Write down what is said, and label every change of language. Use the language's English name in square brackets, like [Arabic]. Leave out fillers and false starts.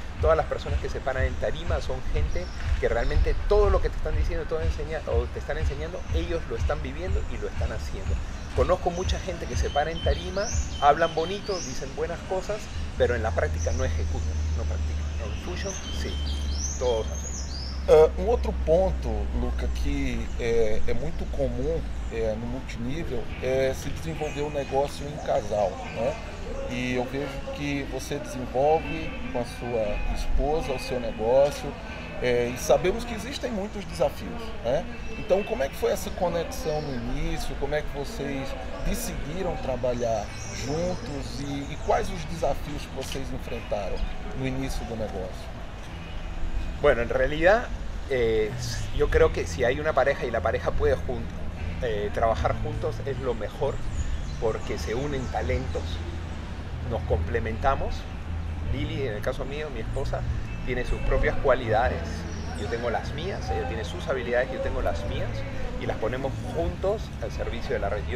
[Spanish] Todas las personas que se paran en tarima son gente que realmente todo lo que te están diciendo, todo enseñando, o te están enseñando, ellos lo están viviendo y lo están haciendo. Conozco mucha gente que se para en tarima, hablan bonito, dicen buenas cosas, pero en la práctica no ejecutan, no practican. No, Fusion, sí, todos hacen. [Portuguese] Um outro ponto, Luca, que é muito comum no multinível é se desenvolver um negócio em casal, né? E eu vejo que você desenvolve com a sua esposa o seu negócio e sabemos que existem muitos desafios, né? Então, como é que foi essa conexão no início? Como é que vocês decidiram trabalhar juntos e quais os desafios que vocês enfrentaram no início do negócio? [Spanish] Bueno, en realidad, yo creo que si hay una pareja y la pareja puede trabajar juntos, es lo mejor, porque se unen talentos, nos complementamos. Lili, en el caso mío, mi esposa, tiene sus propias cualidades, yo tengo las mías, ella tiene sus habilidades, yo tengo las mías, y las ponemos juntos al servicio de la red.